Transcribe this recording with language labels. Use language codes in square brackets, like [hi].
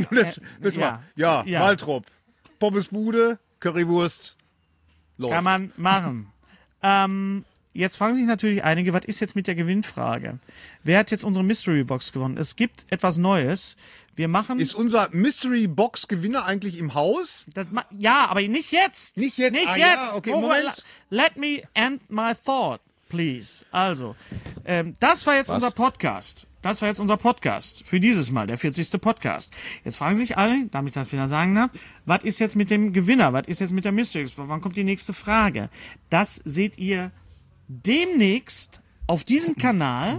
[de] das Leben? Wissen wir. Ja, Waltrop. Ja. Pommes Bude, Currywurst. Läuft. Kann man machen. Jetzt fragen sich natürlich einige, was ist jetzt mit der Gewinnfrage? Wer hat jetzt unsere Mystery Box gewonnen? Es gibt etwas Neues. Wir machen. Ist unser Mystery Box Gewinner eigentlich im Haus? Aber nicht jetzt. Nicht jetzt. Nicht jetzt. Ja, okay, Moment. [en] Let me end my thought, please. [de] Also, das war jetzt unser Podcast. Das war jetzt unser Podcast für dieses Mal, der 40. Podcast. Jetzt fragen sich alle, damit ich das wieder sagen darf, was ist jetzt mit dem Gewinner? Was ist jetzt mit der Mystery Box? Wann kommt die nächste Frage? Das seht ihr demnächst auf diesem Kanal.